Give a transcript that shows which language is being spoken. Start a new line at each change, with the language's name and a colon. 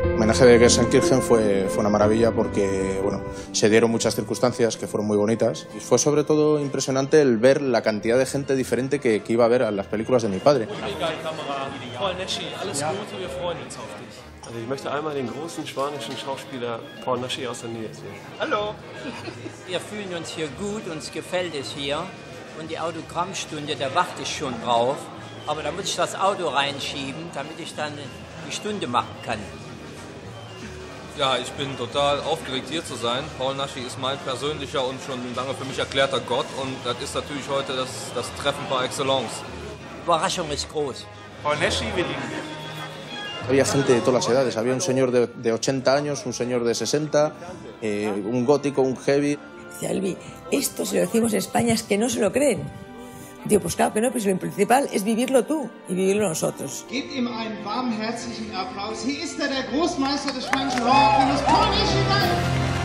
Spanish: De que San Kirchen fue una maravilla porque, bueno, se dieron muchas circunstancias que fueron muy bonitas. Y fue sobre todo impresionante el ver la cantidad de gente diferente que iba a ver a las películas de mi padre.
German: Paul Naschy, alles Gute, wir freuen uns auf dich. Also, ich möchte einmal den großen spanischen Schauspieler Paul Naschy aus der Nähe sehen. Hallo. Wir fühlen uns hier gut, uns gefällt es hier. Und die Autogrammstunde, da warte ich schon drauf. Aber da muss ich das Auto reinschieben, damit ich dann die Stunde machen kann. Ja, ich bin total aufgeregt, hier zu sein. Paul Naschy ist mein persönlicher und schon lange für mich erklärter Gott. Und das ist natürlich heute das Treffen par excellence. Überraschung ist groß. Paul Naschy, wir lieben dich.
Spanish: Había gente de todas las edades. Había un señor de 80 años, un señor de 60, un gótico, un heavy. Salvi, esto se lo decimos en España, es que no se lo creen. Digo, pues claro que no, pero lo principal es vivirlo tú y vivirlo nosotros.
German: Gib ihm einen warmen, herzlichen Applaus. Hier ist der Großmeister des spanischen Horrorfilms, Paul Naschy.